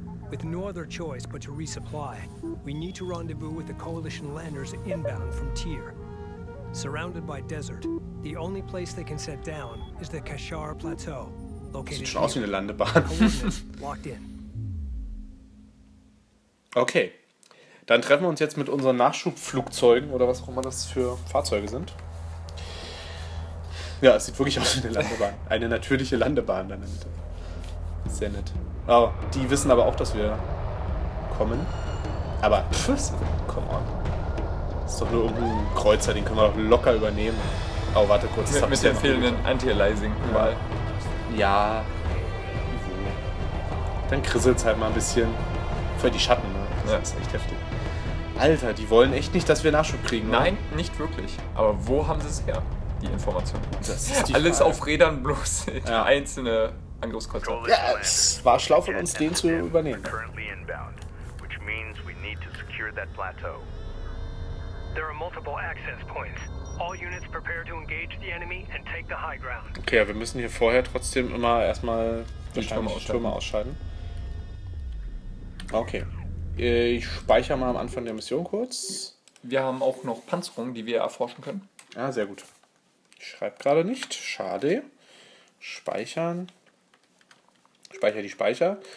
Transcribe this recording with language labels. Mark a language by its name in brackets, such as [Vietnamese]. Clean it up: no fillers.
[English] With no other choice but to resupply, we need to rendezvous with the coalition landers inbound from Tyr. Surrounded by desert, the only place they can set down is the Kashar Plateau, located here. [German] Sieht schon aus wie eine Landebahn. [English] Locked in. [German] Okay, dann treffen wir uns jetzt mit unseren Nachschubflugzeugen oder was auch immer das für Fahrzeuge sind. Ja, es sieht wirklich aus wie eine Landebahn. Eine natürliche Landebahn da in der Mitte. Sehr nett. Oh, die wissen aber auch, dass wir kommen. Aber, pfff, [English] come on. [German] Das ist doch nur irgendein Kreuzer, den können wir doch locker übernehmen. Oh, warte kurz. Das mit dem fehlenden Anti-Aliasing mal. Ja. Dann krisselt es halt mal ein bisschen. Für die Schatten, ne? Das ist echt heftig. Alter, die wollen echt nicht, dass wir Nachschub kriegen, oder? Nein, nicht wirklich. Aber wo haben sie es her, die Information? Das ist die alles Frage. Auf Rädern, bloß ja. Einzelne Angriffskreuzer. Ja, es war schlau von uns, den zu übernehmen. [English] Inbound, which means we need to secure that plateau. There are multiple access points. All units prepare to engage the enemy and take the high ground. [German] Okay, ja, wir müssen hier vorher trotzdem immer erstmal die Türme ausschalten. Okay. Ich speichere mal am Anfang der Mission kurz. Wir haben auch noch Panzerungen, die wir erforschen können. Ah, sehr gut. Ich schreibe gerade nicht. Schade. Speichern. Speicher.